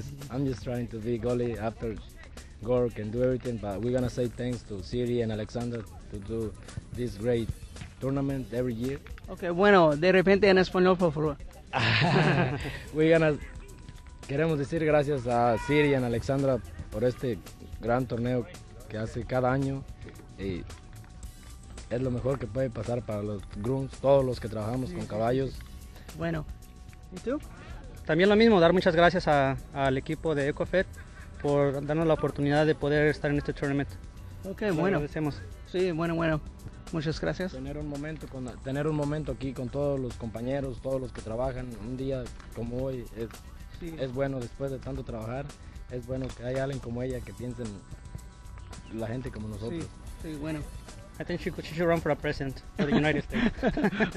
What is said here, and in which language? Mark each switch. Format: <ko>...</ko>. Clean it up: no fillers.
<en>I'm just trying to be goalie after Gork and do everything, but we're going to say thanks to Siri and Alexander to do this great tournament every year.</en> <es>Okay, bueno, de repente en español, por favor.</es> <en>We're going to...</en> <es>Queremos decir gracias a Siri and Alexandra por este gran torneo que hace cada año. Y es lo mejor que puede pasar para los grooms, todos los que trabajamos con caballos. Bueno, ¿y tú? También lo mismo, dar muchas gracias al equipo de EquiFit por darnos la oportunidad de poder estar en este tournament. Okay, bueno. Agradecemos. Sí, bueno. Muchas gracias. Tener un momento aquí con todos los compañeros, todos los que trabajan, un día como hoy, es bueno después de tanto trabajar, es bueno que haya alguien como ella que piense en la gente como nosotros. Sí, bueno.</es> <en>I think she should run for a president for the United States.</en>